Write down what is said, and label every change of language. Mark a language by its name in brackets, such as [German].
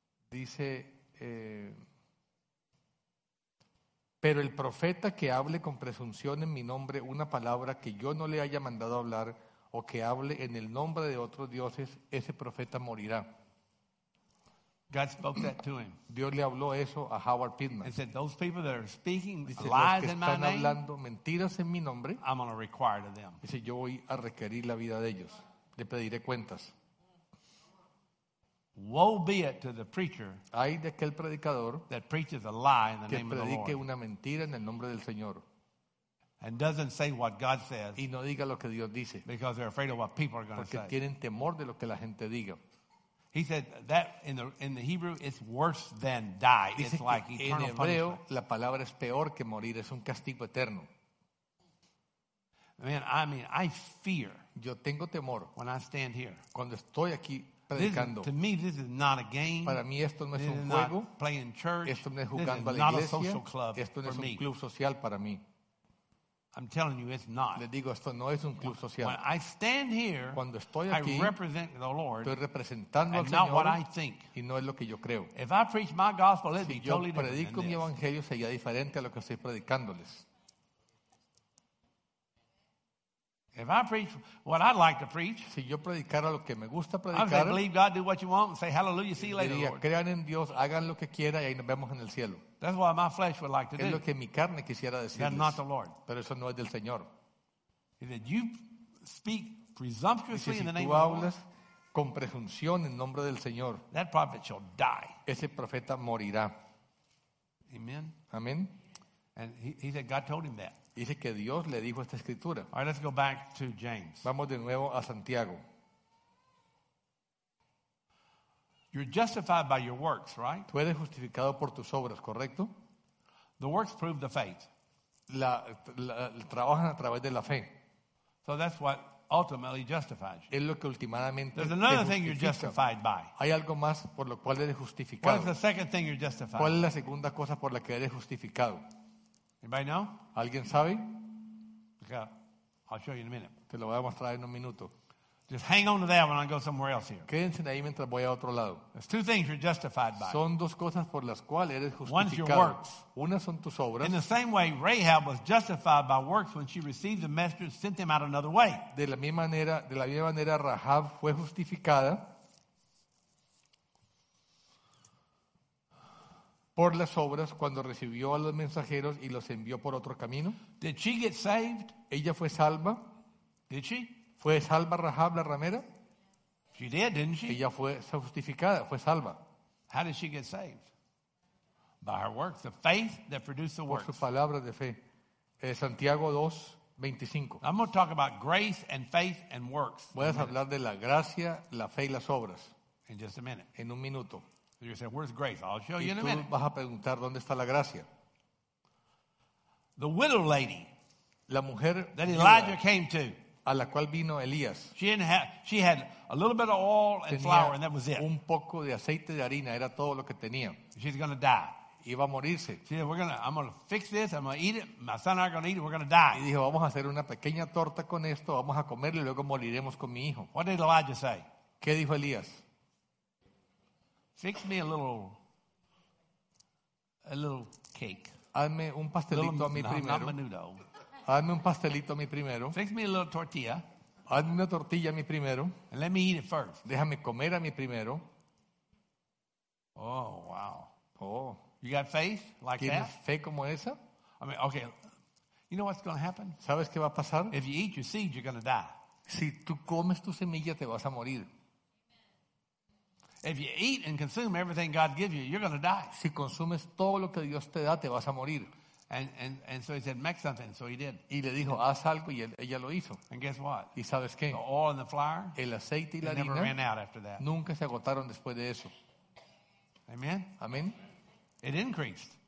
[Spanish] Dice, pero el profeta que hable con presunción en mi nombre una palabra que yo no le haya mandado hablar o que hable en el nombre de otros dioses, ese profeta morirá. [English] God spoke that to him. [Spanish] Dios le habló eso a Howard Pittman. [English] He said, those people that are speaking lies in my name, [Spanish] están hablando mentiras en mi nombre, [English] I'm going to require of them. [Spanish] Dice, yo voy a requerir la vida de ellos. Le pediré cuentas. [English] Woe be it to the preacher, [Spanish] ay de aquel predicador, [English] that preaches a lie in the name of the Lord, [Spanish] que predique una mentira en el nombre del Señor, [English] and doesn't say what God says, [Spanish] y no diga lo que Dios dice, [English] because they're afraid of what people are going to say, [Spanish] porque tienen temor de lo que la gente diga. [English] He said that in the Hebrew it's worse than die. [Spanish] Dice, [English] it's like eternal punishment. [Spanish] En hebreo la palabra es peor que morir, es un castigo eterno. [English] Man, I mean, I fear. [Spanish] Yo tengo temor. [English] When I stand here, [Spanish] cuando estoy aquí. [English] To me, this is not a game. [Spanish] Para mí esto no es un juego. [English] This is not playing church. [Spanish] Esto no es jugando a la iglesia. [English] This is not a social club. [Spanish] Esto no es un club social para mí. [English] I'm telling you, it's not. [Spanish] Le digo, esto no es un club social. [English] When I stand here, [Spanish] cuando estoy aquí, [English] I represent the Lord. [Spanish] Estoy representando al Señor. [English] And not what I think. [Spanish] Y no es lo que yo creo. [English] If I preach my gospel, it'd [Spanish] si [English] be totally different. [Spanish] Si yo predico mi evangelio, sería diferente a lo que estoy predicándoles. [English] If I preach what I'd like to preach, [Spanish] si yo predicara lo que me gusta predicar, [English] I'd say, believe God, do what you want, and say hallelujah, see you later, [Spanish] diría, [English] Lord. [Spanish] Crean en Dios, hagan lo que quiera y ahí nos vemos en el cielo. [English] That's what my flesh would like to [Spanish] es [English] do. [Spanish] Es lo que mi carne quisiera decirles. [English] That's not the Lord. [Spanish] Pero eso no es del Señor. [English] He said, you speak presumptuously [Spanish] si [English] in the name [Spanish] tú hablas [English] of the Lord, [Spanish] con presunción en nombre del Señor, [English] that prophet shall die. [Spanish] Ese profeta morirá. [English] Amen. [Spanish] Amen. [English] And he said, God told him that. [Spanish] Dice que Dios le dijo esta escritura. [English] All right, let's go back to James. [Spanish] Vamos de nuevo a Santiago. [English] You're justified by your works, right? [Spanish] Tú eres justificado por tus obras, ¿correcto? [English] The works prove the faith. [Spanish] Trabajan a través de la fe. [English] So that's what ultimately justifies you. [Spanish] Es lo que últimamente. [English] There's another thing you're justified by. [Spanish] Hay algo más por lo cual eres justificado. [English] What is the second thing you're justified? [Spanish] ¿Cuál es la segunda cosa por la que eres justificado? [English] Anybody know? [Spanish] ¿Alguien sabe? [English] Okay. I'll show you in a minute. [Spanish] Te lo voy a mostrar en un minuto. [English] Just hang on to that when I go somewhere else here. [Spanish] Quédense ahí mientras voy a otro lado. [English] There's two things you're justified by. [Spanish] Son dos cosas por las cuales eres justificado. [English] One's your works. [Spanish] Una son tus obras. [English] In the same way, Rahab was justified by works when she received the messenger and sent them out another way. [Spanish] De la misma manera, Rahab fue justificada por las obras cuando recibió a los mensajeros y los envió por otro camino. [English] Did she get saved? [Spanish] Ella fue salva. [English] Did she? [Spanish] ¿Fue salva Rahab la ramera? [English] She did, didn't she? [Spanish] Ella fue justificada, fue salva. [English] How did she get saved? By her works, the faith that produced the works. [Spanish] Por su palabra de fe. Santiago 2, 25. [English] I'm going to talk about grace and faith and works. [Spanish] Voy a hablar de la gracia, la fe y las obras. [English] In just a minute. [Spanish] En un minuto. [English] You say, where's grace? I'll show [Spanish] y [English] you in a minute. [Spanish] Y tú vas a preguntar, ¿dónde está la gracia? [English] The widow lady. [Spanish] La mujer. [English] That Elijah came to. [Spanish] A la cual vino Elías. [English] She had a little bit of oil and flour and that was it. [Spanish] Un poco de aceite de harina, era todo lo que tenía. [English] She's going to die. [Spanish] Iba a morirse. [English] She said, I'm going to fix this, I'm going to eat it, my son and I are going to eat it, we're going to die. [Spanish] Y dijo, vamos a hacer una pequeña torta con esto, vamos a comerlo y luego moriremos con mi hijo. [English] What did Elijah say? [Spanish] ¿Qué dijo Elías? [English] Fix me a little cake. [Spanish] Hazme un pastelito a mí primero. [English] Not menudo. [Spanish] Hazme un pastelito a mí primero. [English] Fix me a little tortilla. [Spanish] Hazme una tortilla a mí primero. [English] And let me eat it first. [Spanish] Déjame comer a mí primero. [English] Oh, wow. [Spanish] Oh. [English] You got faith like [Spanish] ¿tienes [English] that? [Spanish] ¿Tienes fe como esa? [English] I mean, okay. You know what's going to happen? [Spanish] ¿Sabes qué va a pasar? [English] If you eat your seed, you're going to die. [Spanish] Si tú comes tu semilla, te vas a morir. [English] If you eat and consume everything God gives you, you're going to die. [Spanish] Si consumes todo lo que Dios te da, te vas a morir. [English] And so he said, make something. So he did. [Spanish] Y le dijo, haz algo, y ella lo hizo. [English] And guess what? [Spanish] ¿Y sabes qué? [English] The oil and the flour. [Spanish] El aceite y la harina. [English] Never ran out after that. [Spanish] Nunca se agotaron después de eso. [English] Amen. Amen. It increased.